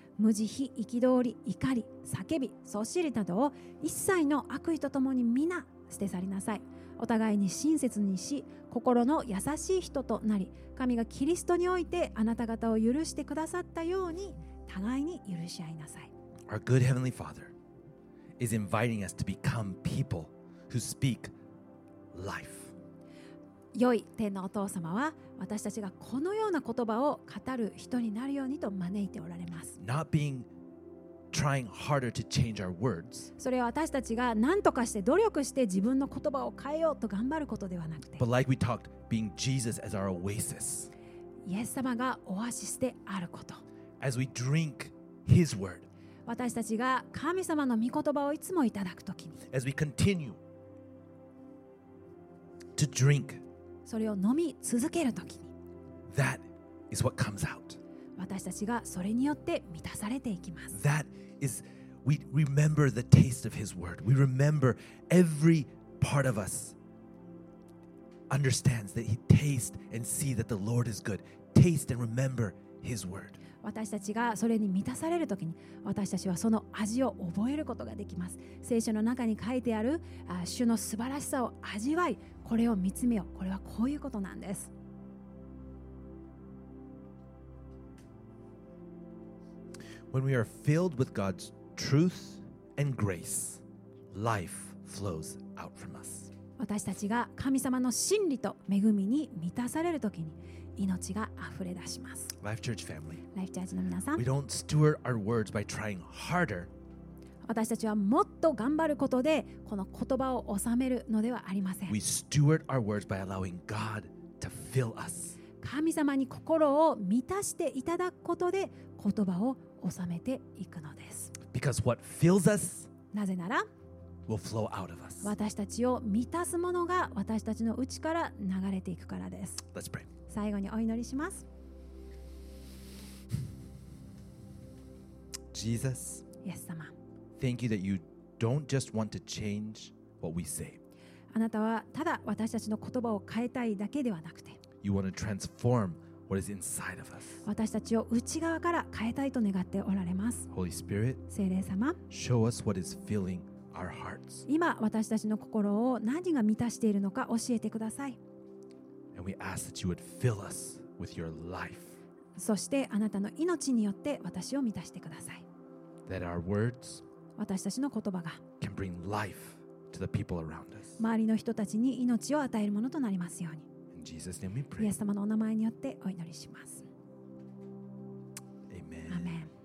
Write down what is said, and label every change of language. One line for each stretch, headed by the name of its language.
Japanese: 無慈悲、憤り、怒り、叫び、そしりなどを一切の悪意とともに皆捨て去りなさい。お互いに親切にし、心の優しい人となり、神がキリストにおいてあなた方を許してくださったように互いに許し合いなさい。
English: Our good heavenly Father is inviting us to become people who speak life.
Japanese: 良い天のお父様は私たちがこのような言葉を語る人になるようにと招いておられます。
English: Not being trying harder to change our words.
Japanese: それは私たちが何とかして努力して自分の言葉を変えようと頑張ることではなくて。
English: But like we talked, being Jesus as our oasis.
Japanese: イエス様がオアシスであること。
English: As we drink His word.
Japanese: 私たちが神様の御言葉をいつもいただくときに。
English: As we continue to drink.
Japanese: それを飲み続けるときに
English: That is what comes out.
Japanese: 私たちがそれによって満たされていきます。
English: That is, we remember the taste of His word. We remember every part of us understands that He tastes and sees that the Lord is good. Taste and remember His word.
Japanese: 私たちがそれに満たされるときに私たちはその味を覚えることができます。聖書の中に書いてある主の素晴らしさを味わいこれを見つめよう。これはこういうことなんです。
English: When we are filled with God's truth and grace, life flows out from us.
Japanese: 私たちが神様の真理と恵みに満たされるときに、命が溢れ出します。
English: Life Church family,
Japanese: Life Church の皆さん、
English: we don't steward our words by trying harder.
Japanese: 私たちはもっと頑張ることでこの言葉を収めるのではありません。
English: We steward our words by allowing God to fill us.
Japanese: 神様に心を満たしていただくことで言葉を収めていくのです。
English: Because what fills us,
Japanese: なぜなら、
English: will flow out of us.
Japanese: 私たちを満たすものが私たちの内から流れていくからです。
English: Let's pray.
Japanese: 最後にお祈りします。
English: Jesus.
Japanese: イエス様。
English: Thank you that you don't just want to change what we say.
Japanese: あなたはただ私たちの言葉を変えたいだけではなくて、
English: you want to transform what is inside of us.
Japanese: 私たちを内側から変えたいと願っておられます。
English: Holy Spirit,
Japanese: 聖霊様、
English: show us what is filling our hearts.
Japanese: 今私たちの心を何が満たしているのか教えてください。
English: And we ask that you would fill us with your life.
Japanese: そしてあなたの命によって私を満たしてください。
English: That our words.
Japanese: 私たちの言葉が
English: can bring life to the people around us.
Japanese: 周りの人たちに命を与えるものとなりますように。
English: In Jesus' name we pray.
Japanese: イエス様のお名前によってお祈りします。
English: Amen. Amen.